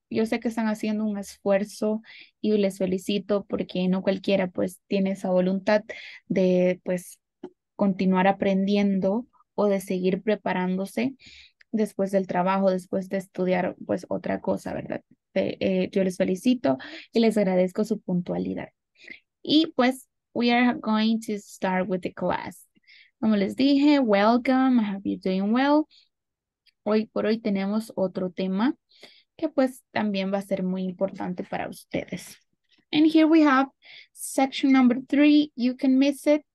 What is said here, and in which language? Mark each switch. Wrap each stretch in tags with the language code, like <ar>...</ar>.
<es>Yo sé que están haciendo un esfuerzo y les felicito porque no cualquiera pues tiene esa voluntad de pues continuar aprendiendo o de seguir preparándose después del trabajo, después de estudiar pues otra cosa, ¿verdad? Yo les felicito y les agradezco su puntualidad. Y pues</es> <en>we are going to start with the class.</en> <es>Como les dije,</es> <en>welcome, I hope you're doing well.</en> <es>Hoy por hoy tenemos otro tema que pues también va a ser muy importante para ustedes.</es> <en>And here we have section number three, you can miss it.</en>